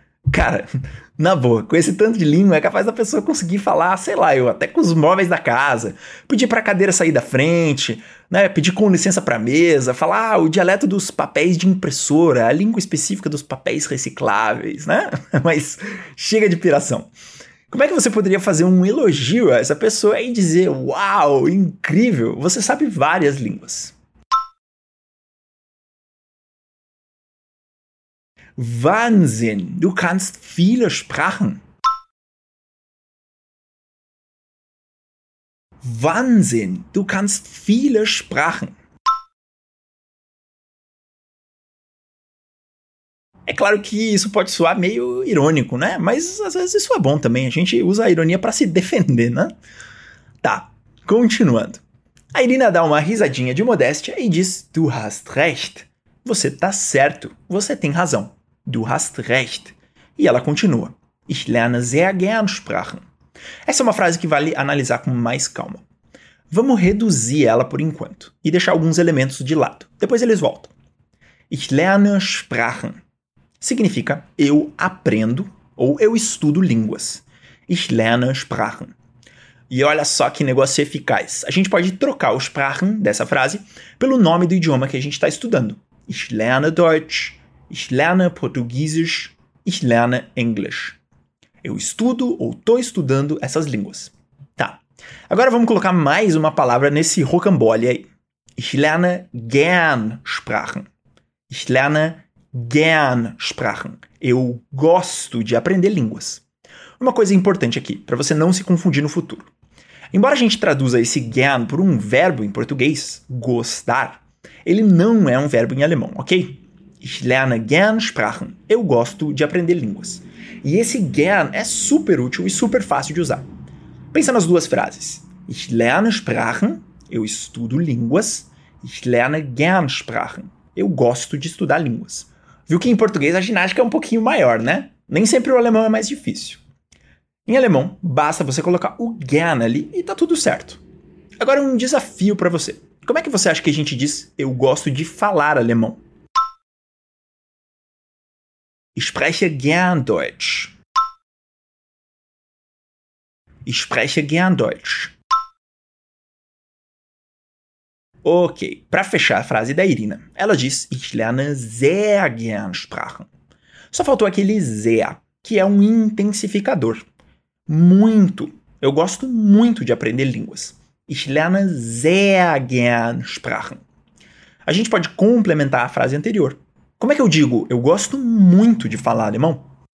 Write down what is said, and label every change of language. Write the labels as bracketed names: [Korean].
[Portuguese] Cara, na boa, com esse tanto de língua é capaz da pessoa conseguir falar, sei lá, eu até com os móveis da casa, pedir para a cadeira sair da frente, né, pedir com licença para a mesa, falar o dialeto dos papéis de impressora, a língua específica dos papéis recicláveis, né? Mas chega de piração. Como é que você poderia fazer um elogio a essa pessoa e dizer, uau, incrível, você sabe várias línguas? [German] Wahnsinn, du kannst viele Sprachen. Wahnsinn, du kannst viele Sprachen. [Portuguese] É claro que isso pode soar meio irônico, né? Mas às vezes isso é bom também. A gente usa a ironia para se defender, né? Tá, continuando. A Irina dá uma risadinha de modéstia e diz [German] du hast recht. [Portuguese] Você tá certo, você tem razão. [German] Du hast recht. [Portuguese] E ela continua. [German] Ich lerne sehr gern Sprachen. [Portuguese] Essa é uma frase que vale analisar com mais calma. Vamos reduzir ela por enquanto e deixar alguns elementos de lado. Depois eles voltam. [German] Ich lerne Sprachen. [Portuguese] Significa eu aprendo ou eu estudo línguas. [German] Ich lerne Sprachen. [Portuguese] E olha só que negócio eficaz. A gente pode trocar o Sprachen dessa frase pelo nome do idioma que a gente está estudando. [German] Ich lerne Deutsch. Ich lerne Portuguesisch, ich lerne Englisch. [Portuguese] Eu estudo ou estou estudando essas línguas. Tá. Agora vamos colocar mais uma palavra nesse rocambole aí. [German] Ich lerne gern Sprachen. Ich lerne gern Sprachen. [Portuguese] Eu gosto de aprender línguas. Uma coisa importante aqui, para você não se confundir no futuro. Embora a gente traduza esse gern por um verbo em português, gostar, ele não é um verbo em alemão, ok? [German] Ich lerne gern Sprachen. [Portuguese] Eu gosto de aprender línguas. E esse gern é super útil e super fácil de usar. Pensa nas duas frases. [German] Ich lerne Sprachen. [Portuguese] Eu estudo línguas. [German] Ich lerne gern Sprachen. [Portuguese] Eu gosto de estudar línguas. Viu que em português a ginástica é um pouquinho maior, né? Nem sempre o alemão é mais difícil. Em alemão, basta você colocar o gerne ali e tá tudo certo. Agora um desafio pra você. Como é que você acha que a gente diz eu gosto de falar alemão? [German] Ich spreche gern Deutsch. Ich spreche gern Deutsch. [Portuguese] Ok, pra fechar a frase da Irina, ela diz [German] Ich lerne sehr gern Sprachen. [Portuguese] Só faltou aquele sehr, que é um intensificador. Muito. Eu gosto muito de aprender línguas. [German] Ich lerne sehr gern Sprachen. [Portuguese] A gente pode complementar a frase anterior. Como é que eu digo eu gosto muito de falar alemão?